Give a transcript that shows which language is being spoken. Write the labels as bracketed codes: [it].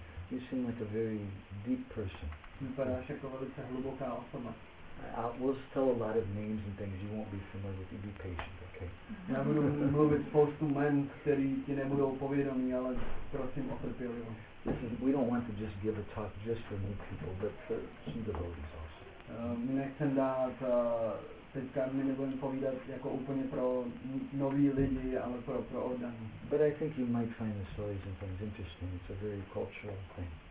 [en] You seem like a very deep person. [cs] Vypadáš jako velice hluboká osoba. [en] We'll tell a lot of names and things you won't be familiar with. You be patient, okay? [cs] Já budu mluvit spoustu jmen, který ti nebudou povědomí, ale prosím o trpělivost. [en] We don't want to just give a talk just for new people, but for some devotees also. [cs] Nechcem dát teďka my nebudeme povídat jako úplně pro nový lidi, ale pro oddaní. [en] But I think you might find the stories and things interesting. It's a very cultural thing.